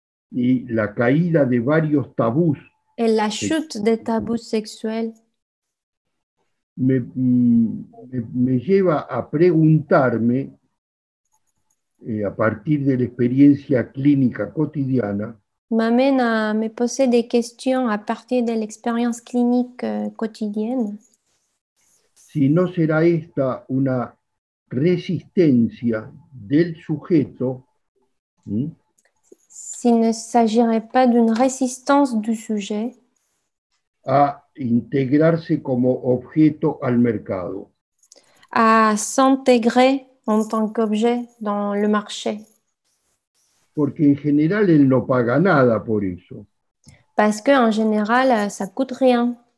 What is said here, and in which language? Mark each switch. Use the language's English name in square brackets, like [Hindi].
[Spanish] Y la caída de varios tabús. [French] Et la chute des tabous sexuels. [Spanish] Me lleva a preguntarme, a partir de la experiencia clínica cotidiana. [French] M'amène à me poser des questions à partir de l'expérience clinique quotidienne. [Spanish] Si no será esta una resistencia del sujeto. [French] S'il ne s'agirait pas d'une résistance du sujet [Spanish] à intégrarse comme objeto al mercado, [French] à s'intégrer en tant qu'objet dans le marché, [Spanish] porque en general él no paga nada por eso, [French] parce que en général ça coûte rien,